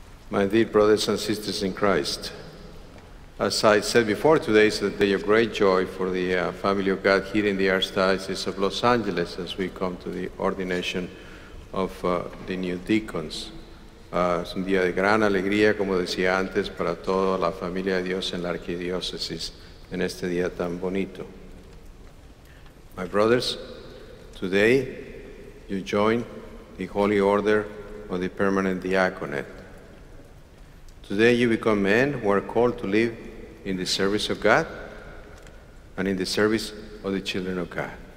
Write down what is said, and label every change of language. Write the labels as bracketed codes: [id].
[en] My dear brothers and sisters in Christ, as I said before, today is a day of great joy for the family of God here in the Archdiocese of Los Angeles as we come to the ordination of the new deacons. [es] Es un día de gran alegría, como decía antes, para toda la familia de Dios en la arquidiócesis en este día tan bonito. [en] My brothers, today you join the Holy Order of the Permanent Diaconate. Today you become men who are called to live in the service of God and in the service of the children of God.